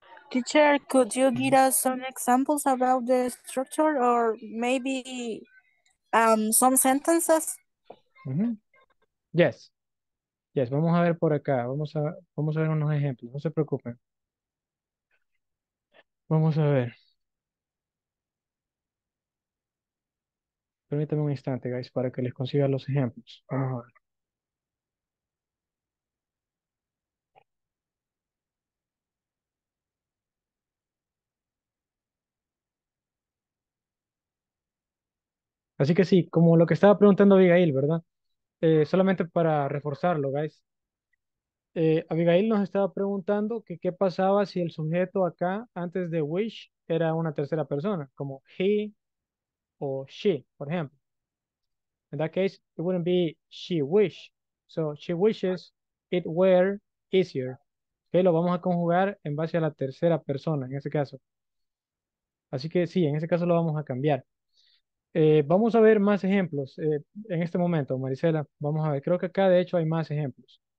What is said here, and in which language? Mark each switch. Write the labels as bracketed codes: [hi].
[en] Teacher, could you give us some examples about the structure or maybe some sentences? Yes. Yes, [es] vamos a ver por acá. Vamos a ver unos ejemplos. No se preocupen. Vamos a ver. Permítanme un instante, guys, para que les consiga los ejemplos. Vamos a ver. Así que sí, como lo que estaba preguntando Abigail, ¿verdad? Solamente para reforzarlo, guys. Abigail nos estaba preguntando que qué pasaba si el sujeto acá, antes de wish, era una tercera persona, como he o she, por ejemplo. [en] In that case, it wouldn't be she wish. So she wishes it were easier. [es] Okay, lo vamos a conjugar en base a la tercera persona, en ese caso. Así que sí, en ese caso lo vamos a cambiar. Vamos a ver más ejemplos en este momento, Marisela. Vamos a ver, creo que acá de hecho hay más ejemplos.